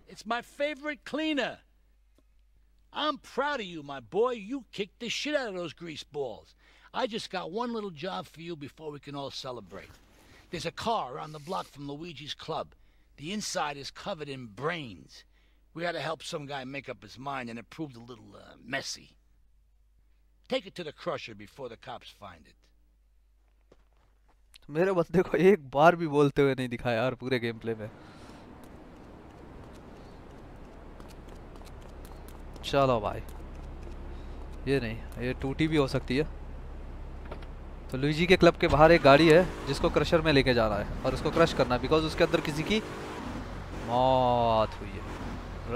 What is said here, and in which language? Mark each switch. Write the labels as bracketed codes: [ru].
[en] It's my favourite cleaner. I am proud of you my boy, you kick the shit out of those grease balls. I just got one little job for you before we can all celebrate. There is a car around the block from Luigi's club. The inside is covered in brains. We had to help some guy make up his mind, and it proved a little messy. Take it to the crusher before the cops find it. [hi] मेरे बंदे को एक बार भी बोलते हुए नहीं दिखाया यार पूरे गेम प्ले में। चलो भाई, ये नहीं, ये टूटी भी हो सकती है। तो लुइजी के क्लब के बाहर एक गाड़ी है जिसको क्रशर में लेके जा रहा है, और उसको क्रश करना है बिकॉज उसके अंदर किसी की मौत हुई है।